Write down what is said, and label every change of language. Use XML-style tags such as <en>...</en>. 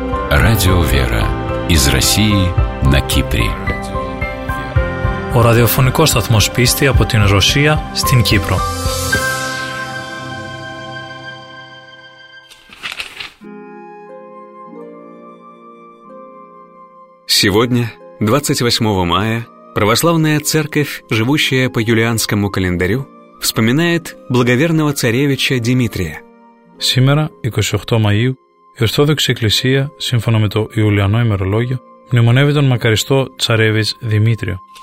<ru>Радио «Вера» из России на Кипре.</ru> <el>Ο ραδιοφωνικός σταθμός πίστη από την Ρωσία στην Κύπρο.</el> <ru>Сегодня, 28 мая, православная церковь, живущая по юлианскому календарю, вспоминает благоверного царевича Дмитрия. Сегодня, 28 мая,</ru> <el>η Ορθόδοξη Εκκλησία, σύμφωνα με το Ιουλιανό ημερολόγιο, μνημονεύει τον μακαριστό Τσαρέβιτς Δημήτριο.</el>